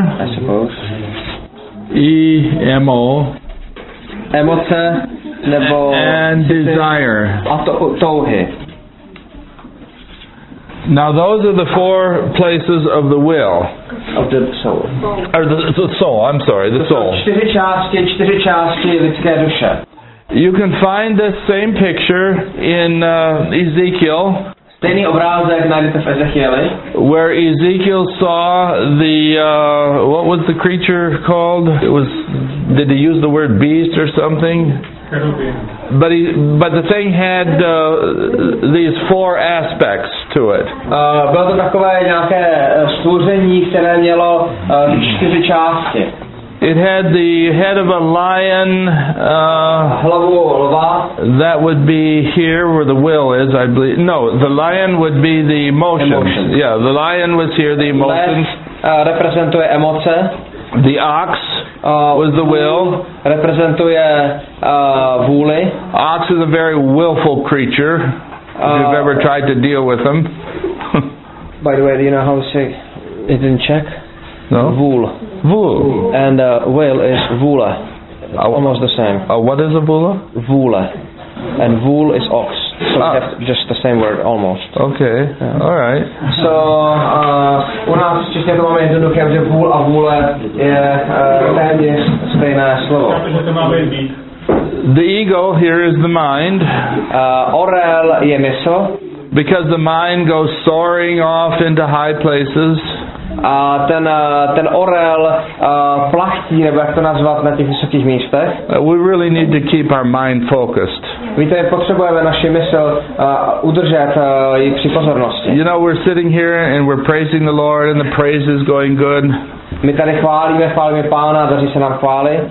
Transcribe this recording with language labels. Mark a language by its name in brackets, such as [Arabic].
[English] I suppose. E-M-O. [Czech] Emoce, nebo... [English] And desire. [Czech] A touhy. [English] Now those are the four places of the will. Of the soul. Or the soul, I'm sorry, the soul. [Czech] Čtyři části lidské duše. [English] You can find this same picture in Ezekiel. [Czech] Stejný obrázek najdete v Ezechieli. [English] Where Ezekiel saw the what was the creature called? It was, did he use the word beast or something? But the thing had these four aspects to it. [Czech] Bylo to takové nějaké stvoření, které mělo čtyři části. [English] It had the head of a lion, [Czech] hlavu lva. [English] That would be here where the will is, I believe. No, the lion would be the emotions. Yeah, the lion was here, the emotions. [Czech] Reprezentuje emoce. [English] The ox was the will. [Czech] Reprezentuje vůli. [English] Ox is a very willful creature, if you've ever tried to deal with him. By the way, do you know how to say it in Czech? No. [Czech] Vůl. Vůl. [English] And whale is vůle. Almost the same. What is a vůle? Vůle. And vůl is ox. So we have just the same word, almost. Okay, yeah. All right. [Czech] So, u nás v Česku máme jednoduché, že vůl a vůle je stejné slovo. [English] The ego here is the mind. [Czech] Orel je mysl. [English] Because the mind goes soaring off into high places. [Czech] A ten orel plachtí, nebo jak to nazvat, na těch vysokých místech. [English] We really need to keep our mind focused. [Czech] Víte, potřebujeme naši mysl udržet ji při pozornosti. [English] You know, we're sitting here and we're praising the Lord and the praise is going good. [Czech] My tady chválíme Pána, daří se nám chvály.